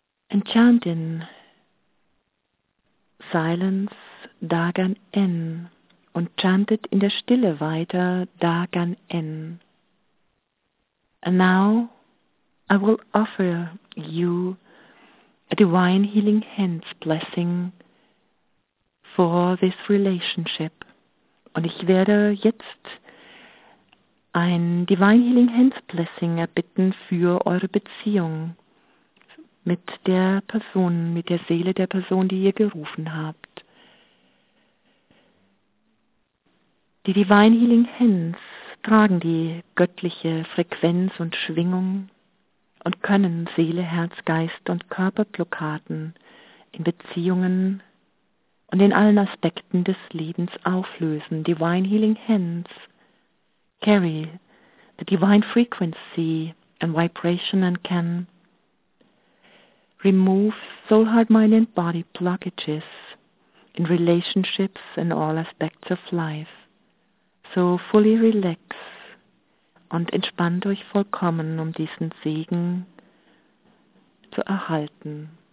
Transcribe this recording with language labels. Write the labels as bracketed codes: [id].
[en] And chant in silence [de] Da Gan En und chantet in der Stille weiter Da Gan En. [en] And now I will offer you a divine healing hands blessing for this relationship. [de] Und ich werde jetzt ein divine healing hands blessing erbitten für eure Beziehung mit der Person, mit der Seele der Person, die ihr gerufen habt. Die Divine Healing Hands tragen die göttliche Frequenz und Schwingung und können Seele, Herz, Geist und Körperblockaden in Beziehungen und in allen Aspekten des Lebens auflösen. [en] Divine Healing Hands carry the divine frequency and vibration and can remove soul, heart, mind and body blockages in relationships and all aspects of life. So fully relax [de] und entspannt euch vollkommen, um diesen Segen zu erhalten.